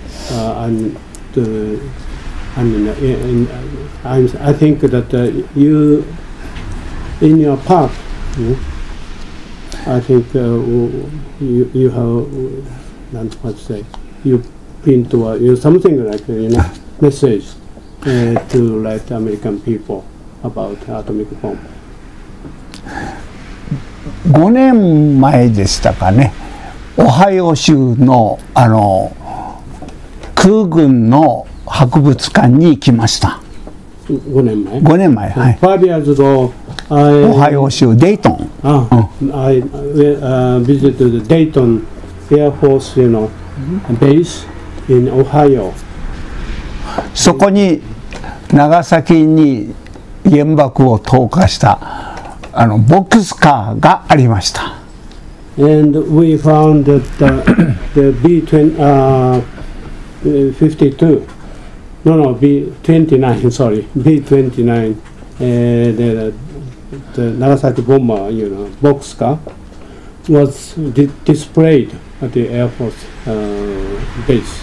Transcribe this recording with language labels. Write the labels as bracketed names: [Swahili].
[English] I think that you, in your part, I think you have something like a message to let American people about atomic bomb. [Japanese] 5年前でしたかね、オハイオ州の、あの空軍の博物館に行きました。 5年前、はい、 [English] 5 years ago [Japanese] I... オハイオ州デイトン、 [English] I visited Dayton Air Force you know, base in Ohio. [Japanese] そこに長崎に原爆を投下したあのボックスカーがありました。 [English] And we found that the B-29 the 長崎ボンバー、you know, ボックスカー was displayed at the Air Force base.